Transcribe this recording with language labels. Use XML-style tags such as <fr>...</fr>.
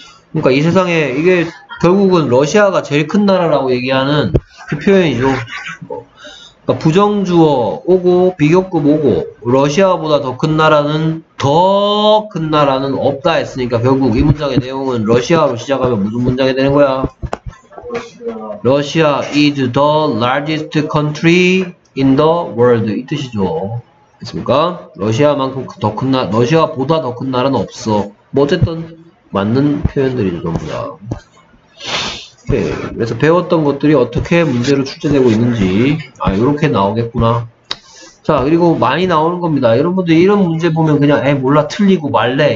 <ko>그러니까 이 세상에 이게 결국은 러시아가 제일 큰 나라라고 얘기하는 그 표현이죠. 그러니까 부정주어 오고 비교급 오고 러시아보다 더 큰 나라는 더 큰 나라는 없다 했으니까 결국 이 문장의 내용은 러시아로 시작하면 무슨 문장이 되는 거야?</ko> <en>Russia is the largest country in the world.</en> <ko>이 뜻이죠. 됐습니까? 러시아만큼 더 큰 나라, 러시아보다 더 큰 나라는 없어. 뭐 어쨌든 맞는 표현들이죠, 전부 다. 오케이. 그래서 배웠던 것들이 어떻게 문제로 출제되고 있는지, 아, 요렇게 나오겠구나. 자, 그리고 많이 나오는 겁니다. 여러분들 이런 문제 보면 그냥, 에, 몰라, 틀리고 말래.</ko>